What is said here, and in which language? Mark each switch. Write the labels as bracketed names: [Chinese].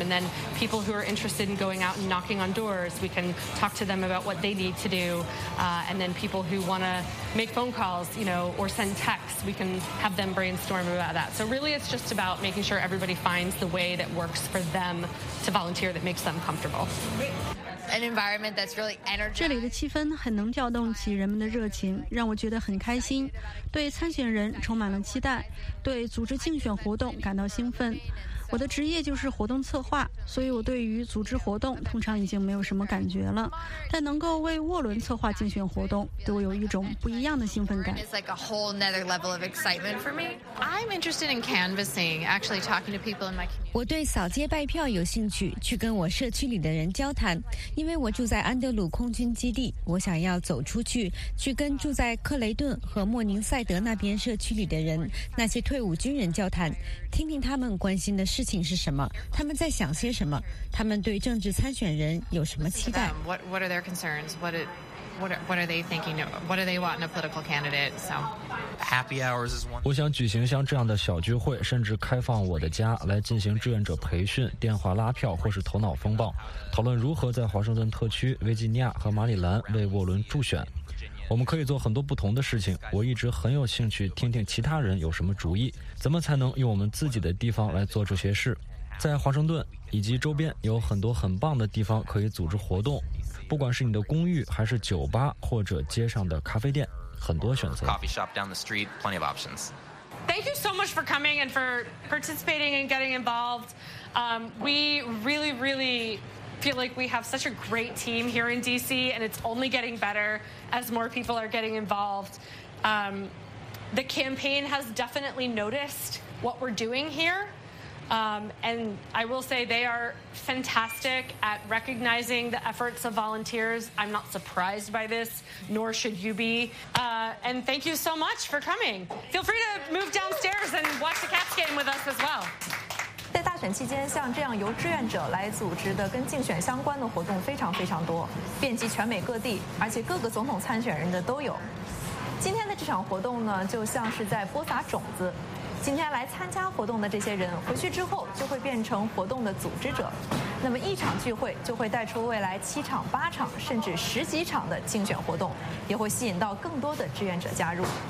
[English] And then people who are interested in going out and knocking on doors, we can talk to them about what they need to do. And then people who want to make phone calls, you know, or send texts, we can have them brainstorm about that. So really it's just about making sure everybody finds the way that works for them to volunteer that makes them comfortable. an environment that's really energetic. [Chinese] 这里的气氛很能调动起人们的热情，让我觉得很开心，对参选人充满了期待，对组织竞选活动感到兴奋。我的职业就是活动策划，所以我对于组织活动通常已经没有什么感觉了，但能够为沃伦策划竞选活动对我有一种不一样的兴奋感。 [English] It's like a whole another level of excitement for me. I'm interested in canvassing, actually talking to people in my community. [Chinese] 我对扫街拜票有兴趣，去跟我社区里的人交谈，因为我住在安德鲁空军基地，我想要走出去，去跟住在克雷顿和莫宁塞德那边社区里的人，那些退伍军人交谈，听听他们关心的事情是什么，他们在想些什么，他们对政治参选人有什么期待。 [English] What are their concerns? What are they thinking? What do they want in a political candidate? So, happy hours is one. [Chinese] 我想举行像这样的小聚会，甚至开放我的家来进行志愿者培训、电话拉票或是头脑风暴，讨论如何在华盛顿特区、维吉尼亚和马里兰为沃伦助选。我们可以做很多不同的事情，我一直很有兴趣听听其他人有什么主意，怎么才能用我们自己的地方来做这些事。在华盛顿以及周边有很多很棒的地方可以组织活动，不管是你的公寓还是酒吧或者街上的咖啡店，很多选择。 [English] Coffee shop down the street, plenty of options. Thank you so much for coming and for participating and getting involved. We really, really feel like we have such a great team here in DC, and it's only getting better as more people are getting involved. The campaign has definitely noticed what we're doing here. And I will say they are fantastic at recognizing the efforts of volunteers. I'm not surprised by this, nor should you be. And thank you so much for coming. Feel free to move downstairs and watch the Caps game with us as well. [Chinese] 在大选期间，像这样由志愿者来组织的跟竞选相关的活动非常非常多，遍及全美各地，而且各个总统参选人的都有。今天的这场活动呢，就像是在播撒种子。今天来参加活动的这些人回去之后就会变成活动的组织者，那么一场聚会就会带出未来七场、八场甚至十几场的竞选活动，也会吸引到更多的志愿者加入。